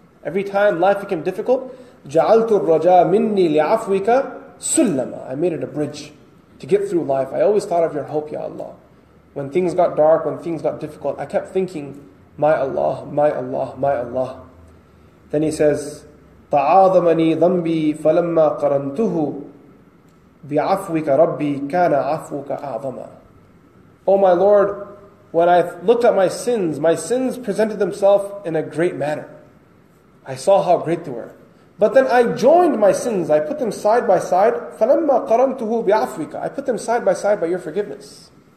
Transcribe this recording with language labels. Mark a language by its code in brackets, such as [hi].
[en] Every time life became difficult, [ar] جَعَلْتُ الرَّجَى مِنِّي لِعَفْوِكَ سُلَّمًا. [en] I made it a bridge to get through life. I always thought of your hope, Ya Allah. When things got dark, when things got difficult, I kept thinking, My Allah, My Allah, My Allah. Then he says, [ar] تَعَاظَمَنِي ذَنْبِي فَلَمَّا قَرَنْتُهُ بِعَفْوِكَ رَبِّي كَانَ عَفْوُكَ أَعْظَمًا. [en] Oh my Lord, when I looked at my sins presented themselves in a great manner. I saw how great they were. But then I joined my sins, I put them side by side. [ar] فَلَمَّا قَرَنْتُهُ بِعَفْوِكَ [en] I put them side by side by your forgiveness.